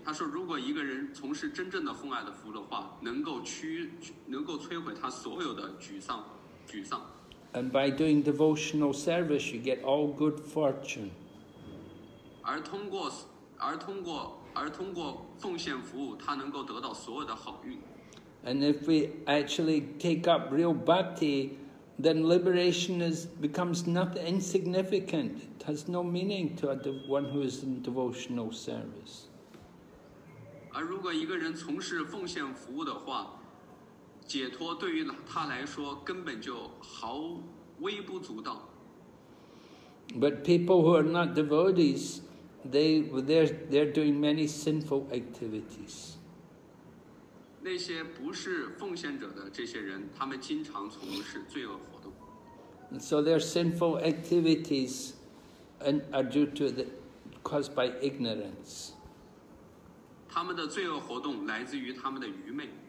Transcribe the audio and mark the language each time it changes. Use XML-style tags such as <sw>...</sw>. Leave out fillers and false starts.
<zh>他说如果一个人从事真正的奉爱的服务的话，能够摧毁他所有的沮丧。</zh> <en>And by doing devotional service you get all good fortune.</en> <zh>而通过奉献服务，他能够得到所有的好运。</zh> <en>And if we actually take up real bhakti, then liberation becomes nothing insignificant. It has no meaning to one who is in devotional service.</en> <zh>而如果一个人从事奉献服务的话，解脱对于他来说根本就毫微不足道。</zh> <en>But people who are not devotees, they're doing many sinful activities.</en> <zh>那些不是奉献者的这些人，他们经常从事罪恶。</zh> <en>And so their sinful activities are due to the caused by ignorance.</en> <zh>他们的罪恶活动来自于他们的愚昧。</zh>